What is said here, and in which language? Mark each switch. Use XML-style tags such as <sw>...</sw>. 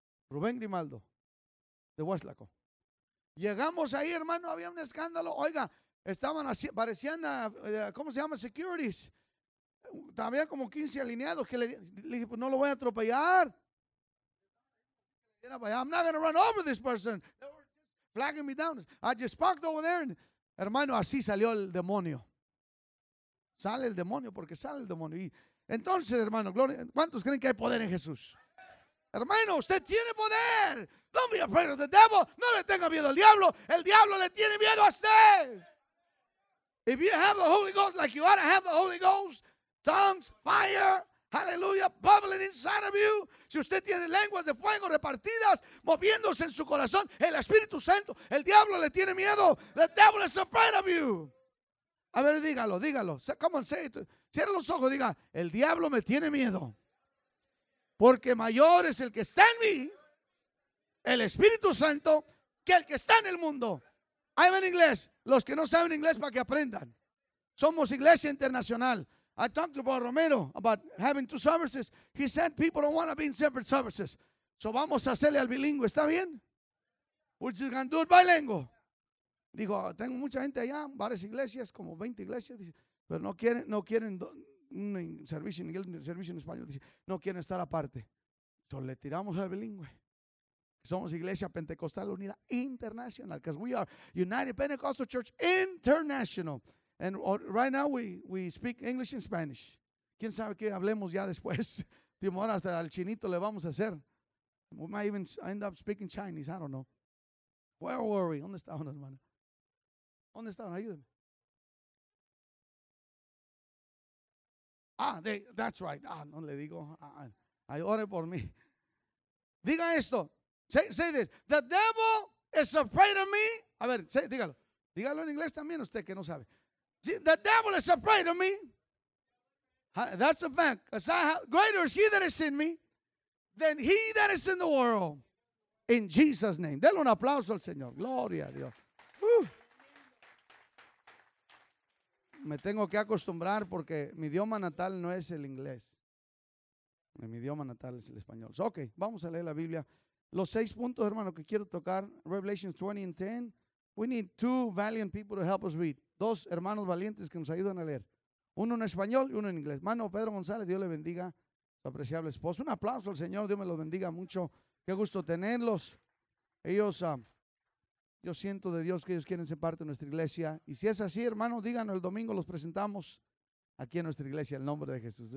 <es>Rubén Grimaldo, de Hueslaco. Llegamos ahí, hermano, había un escándalo. Oiga, estaban así, parecían, ¿cómo se llama? Securities. Había como 15 alineados que le dije, pues no lo voy a atropellar.</es> <en>I'm not going to run over this person. They were just flagging me down. I just parked over there and,</en> <es>hermano, así salió el demonio. Sale el demonio porque sale el demonio. Y entonces, hermano, gloria, ¿cuántos creen que hay poder en Jesús? Hermano, usted tiene poder.</es> <en>Don't be afraid of the devil.</en> <es>No le tenga miedo al diablo. El diablo le tiene miedo a usted.</es> <en>If you have the Holy Ghost like you ought to have the Holy Ghost, tongues, fire, hallelujah, bubbling inside of you.</en> <es>Si usted tiene lenguas de fuego repartidas, moviéndose en su corazón, el Espíritu Santo, el diablo le tiene miedo.</es> <en>The devil is afraid of you.</en> <es>A ver, dígalo, dígalo.</es> <en>Come on, say it.</en> <es>Cierra los ojos, diga, el diablo me tiene miedo. Porque mayor es el que está en mí, el Espíritu Santo, que el que está en el mundo. Ahí va en inglés, los que no saben inglés para que aprendan. Somos iglesia internacional.</es> <en>I talked to Paul Romero about having two services. He said people don't want to be in separate services. So</en> <es>vamos a hacerle al bilingüe, ¿está bien?</es> <en>We're just going to do it bilingual.</en> <es>Digo, tengo mucha gente allá, varias iglesias, como 20 iglesias. Dice, pero no quieren un servicio en inglés, un servicio en español. Dice, no quieren estar aparte. Entonces le tiramos al bilingüe. Somos Iglesia Pentecostal Unida Internacional.</es> <en>Because we are United Pentecostal Church International. And right now we speak English and Spanish.</en> <es>¿Quién sabe qué hablemos ya después? Timo, ahora hasta al chinito le vamos a hacer.</es> <en>We might even end up speaking Chinese. I don't know. Where were we?</en> <es>¿Dónde estaban, hermano? ¿Dónde estaban? Ayúdenme.</es> <en>Ah, that's right.</en> <es>Ah, no le digo. Ay, ore por mí. Diga esto.</es> <en>Say this. The devil is afraid of me.</en> <es>A ver, dígalo. Dígalo en inglés también usted que no sabe.</es> <en>The devil is afraid of me. That's a fact. Greater is he that is in me than he that is in the world. In Jesus' name.</en> <es>Denle un aplauso al Señor. Gloria a Dios. Me tengo que acostumbrar porque mi idioma natal no es el inglés. Mi idioma natal es el español. So, ok, vamos a leer la Biblia. Los seis puntos, hermano, que quiero tocar.</es> <en>Revelation 20 and 10. We need two valiant people to help us read.</en> <es>Dos hermanos valientes que nos ayudan a leer. Uno en español y uno en inglés. Mano Pedro González, Dios le bendiga. apreciable esposo. Un aplauso al Señor, Dios me los bendiga mucho. Qué gusto tenerlos. Ellos, yo siento de Dios que ellos quieren ser parte de nuestra iglesia. Y si es así, hermano, díganos, el domingo los presentamos aquí en nuestra iglesia, en el nombre de Jesús.</es>